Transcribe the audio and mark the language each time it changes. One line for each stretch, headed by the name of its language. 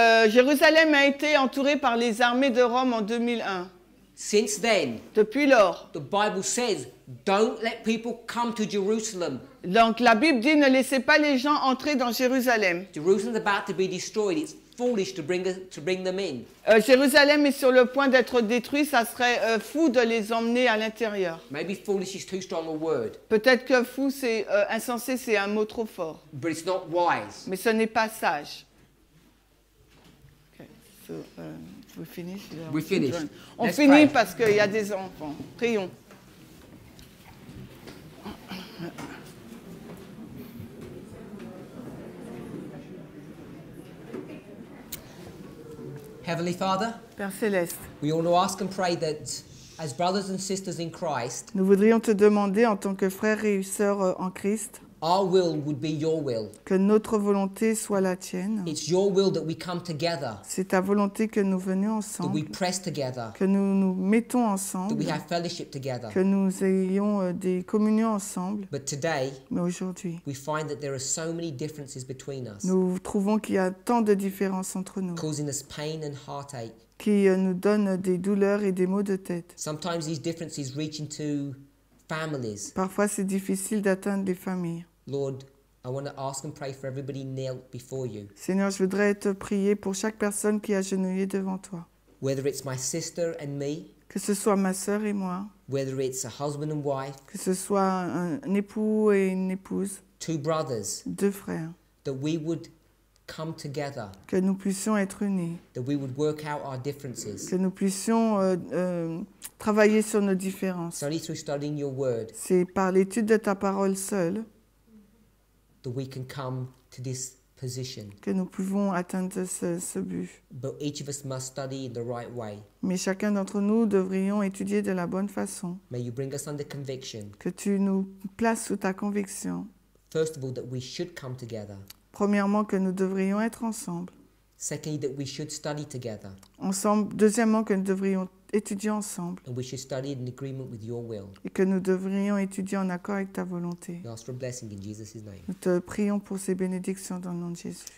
French: Jérusalem a été entourée par les armées de Rome en 2001.
English: Since then,
French: depuis lors,
English: the Bible says, don't let people come to Jerusalem.
French: Donc la Bible dit, ne laissez pas les gens entrer dans Jérusalem.
English: Jerusalem is about to be destroyed. It's foolish to bring them in.
French: Jérusalem est sur le point d'être détruit, ça serait fou de les emmener à l'intérieur.
English: Maybe foolish is too strong a word.
French: Peut-être que fou c'est insensé, c'est un mot trop fort.
English: But it's not wise.
French: Mais ce n'est pas sage. Okay.
English: So we finish. We finish.
French: On
English: Let's
French: finit
English: pray.
French: Parce qu'il y a des enfants. Prions.
English: Heavenly Father,
French: Père céleste,
English: we all ask and pray that as brothers and sisters in Christ,
French: nous voudrions te demander en tant que frères et sœurs en Christ,
English: our will would be your will.
French: Que notre volonté soit la tienne.
English: It's your will that we come together.
French: C'est ta volonté que nous venions ensemble.
English: That we press together.
French: Que nous nous mettons ensemble.
English: That we have fellowship together.
French: Que nous ayons des communions ensemble.
English: But today,
French: mais aujourd'hui,
English: we find that there are so many differences between us.
French: Nous trouvons qu'il y a tant de différences entre nous.
English: Causing us pain and heartache.
French: Qui nous donnent des douleurs et des maux de tête.
English: Sometimes these differences reach into families.
French: Parfois, c'est difficile d'atteindre des familles.
English: Lord, I want to ask and pray for everybody kneeled before you.
French: Seigneur, je voudrais te prier pour chaque personne qui est agenouillée devant toi.
English: Whether it's my sister and me.
French: Que ce soit ma sœur et moi.
English: Whether it's a husband and wife.
French: Que ce soit un époux et une épouse.
English: Two brothers.
French: Deux frères.
English: That we would come together.
French: Que nous puissions être unis.
English: That we would work out our differences.
French: Que nous puissions travailler sur nos différences.
English: Study through studying your word.
French: C'est par l'étude de ta parole seule.
English: That we can come to this position.
French: Que nous pouvons atteindre ce but.
English: But each of us must study in the right way.
French: Mais chacun d'entre nous devrions étudier de la bonne façon.
English: May you bring us under conviction.
French: Que tu nous places sous ta conviction.
English: First of all, that we should come together.
French: Premièrement, que nous devrions être ensemble.
English: Secondly, that we should study together.
French: Ensemble. Deuxièmement, que nous devrions étudier ensemble.
English: And we should study in agreement with your will.
French: Et que nous devrions étudier en accord avec ta volonté.
English: We ask for a blessing in Jesus' name.
French: Nous te prions pour ces bénédictions dans le nom de Jésus.